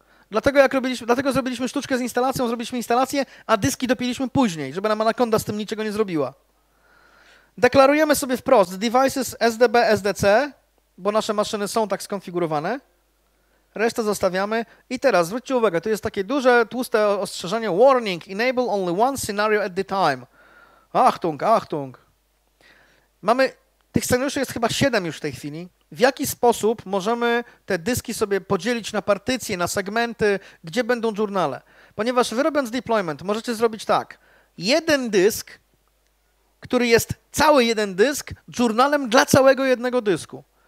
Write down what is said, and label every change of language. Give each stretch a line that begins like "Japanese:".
Polish: Dlatego jak robiliśmy, dlatego zrobiliśmy sztuczkę z instalacją, zrobiliśmy instalację, a dyski dopiliśmy później, żeby nam Anaconda z tym niczego nie zrobiła. Deklarujemy sobie wprost devices SDB, SDC, bo nasze maszyny są tak skonfigurowane. Resztę zostawiamy. I teraz zwróćcie uwagę, tu jest takie duże, tłuste ostrzeżenie.
English: Warning, enable only one scenario at the time.
German: Achtung, achtung.
Polish: Mamy, tych scenariuszy jest chyba 7 już w tej chwili. W jaki sposób możemy te dyski sobie podzielić na partycje, na segmenty, gdzie będą journale? Ponieważ wy robiąc deployment możecie zrobić tak. Jeden dysk, który jest cały jeden dysk journalem dla całego jednego dysku.